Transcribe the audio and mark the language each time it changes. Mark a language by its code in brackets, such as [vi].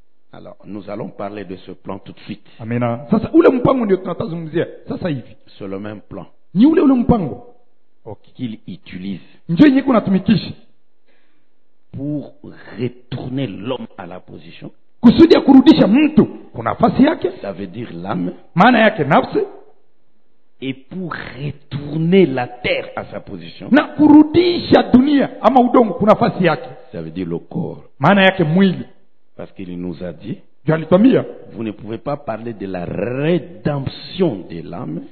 [fr] Alors, nous allons parler de ce plan tout de suite. [sw] Amina. Sasa ule mpango ndio tunatazungumzia. Sasa hivi. [fr] C'est le même plan. [sw] Ni ule ule mpango. [fr] OK, qu'il utilise. [sw] Ndio yeye kunatumikisha. [fr] Pour retourner l'homme à la position. [sw] Kusudi ya kurudisha mtu kwa nafasi yake. [fr] Ça veut dire l'âme. [sw] Maana yake nafsi. [fr] Et pour retourner la terre à sa position. [sw] Na kurudisha dunia ama udongo kwa nafasi yake. [fr] Ça veut dire le corps. [sw] Maana yake mwili. [fr] Parce qu'il nous a dit, [sw] Dieu alitwambia, [fr] vous ne pouvez pas parler de la rédemption de l'âme,